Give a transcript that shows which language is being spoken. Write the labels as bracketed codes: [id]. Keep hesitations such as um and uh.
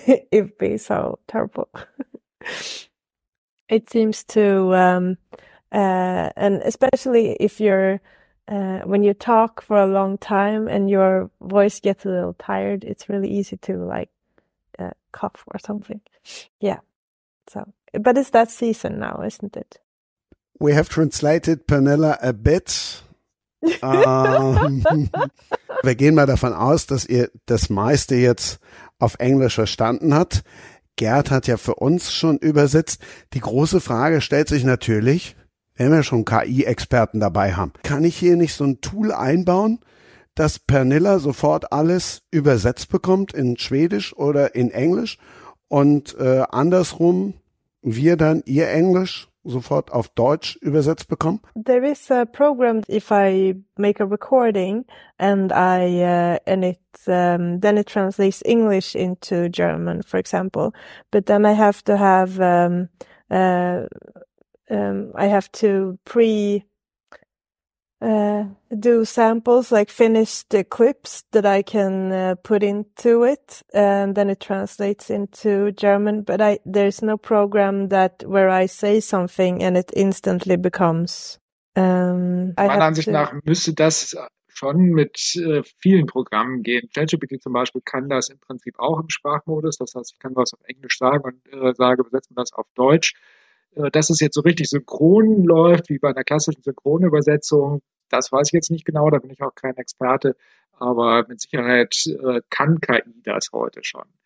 [en] It'd be so terrible. it seems to, um, and especially if you're when you talk for a long time and your voice gets a little tired, it's really easy to like cough or something. Yeah. So, but it's that season now, isn't it? We have translated Pernella a bit. [de] um, wir gehen mal davon aus, dass ihr das meiste jetzt auf Englisch verstanden habt. Gerd hat ja für uns schon übersetzt. Die große Frage stellt sich natürlich, wenn wir schon KI-Experten dabei haben, kann ich hier nicht so ein Tool einbauen, dass Pernilla sofort alles übersetzt bekommt in Schwedisch oder in Englisch [en] There is a program if I make a recording and I uh, and it um, then it translates English into German for example, but then I have to have um, uh, um, I have to pre uh, do samples like finished uh, clips that I can uh, put into it, and then it translates into German. But there's no program that where I say something and it instantly becomes. [de] Um, nach müsste das schon mit uh, vielen Programmen gehen. ChatGPT zum Beispiel kann das im Prinzip auch im Sprachmodus. Das heißt, ich kann was auf Englisch sagen und äh, sage, übersetzen das auf Deutsch. dass es jetzt so richtig synchron läuft, wie bei einer klassischen Synchronübersetzung, das weiß ich jetzt nicht genau, da bin ich auch kein Experte, aber mit Sicherheit kann KI das heute schon.